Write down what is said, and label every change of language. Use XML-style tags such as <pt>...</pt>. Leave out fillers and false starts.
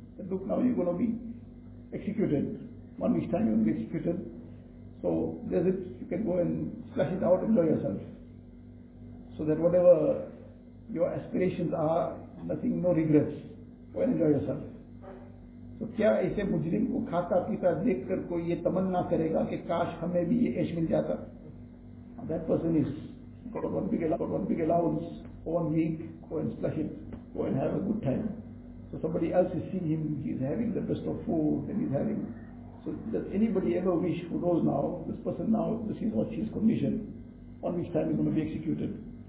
<en>That look, now you're going to be executed, 1 week's time you're going to be executed, so there's it, you can go and slash it out, enjoy yourself. So that whatever your aspirations are, nothing, no regrets, go and enjoy yourself.</en> <hi>तो क्या ऐसे मुजरिम को खाता पीता देखकर कोई ये तमन्ना करेगा कि काश हमें भी ये ऐश मिल जाता?</hi> <en>That person is got one big allowance, 1 week, go and splash it, go and have a good time. So somebody else is seeing him, he's having the best of food and he's having. So does anybody ever wish, who knows now, this person now, this is what his condition, 1 week's time he's going to be executed.</en>